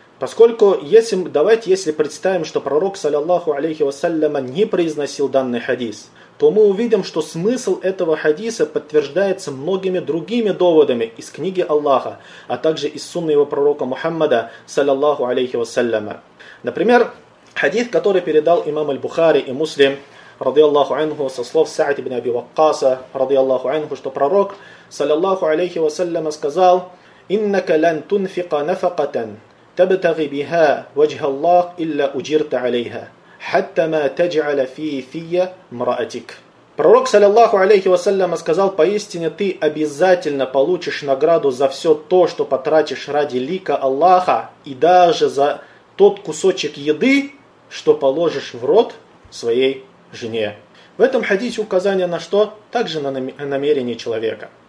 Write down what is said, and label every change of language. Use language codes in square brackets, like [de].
[ru] Поскольку, если представим, что пророк, саллиллаху алейхи вассаляма, не произносил данный хадис, то мы увидим, что смысл этого хадиса подтверждается многими другими доводами из книги Аллаха, а также из сунны его пророка Мухаммада, саллиллаху алейхи вассаляма. Например, хадис, который передал имам аль-Бухари и Муслим, радиаллаху анху, со слов Саад ибн Аби Ваккаса, радиаллаху анху, что пророк, саллиллаху алейхи вассаляма, сказал: [ar] «Иннака лан тунфика нафакатан». تبتغي بها وجه الله إلا أجرت عليها حتى ما تجعل في فيه مرأتك. [ru] Пророк, саллиллаху алейхи вассалям, сказал: поистине ты обязательно получишь награду за все то, что потратишь ради лика Аллаха, и даже за тот кусочек еды, что положишь в рот своей жене. В этом хадисе указание на что? Также на намерение человека.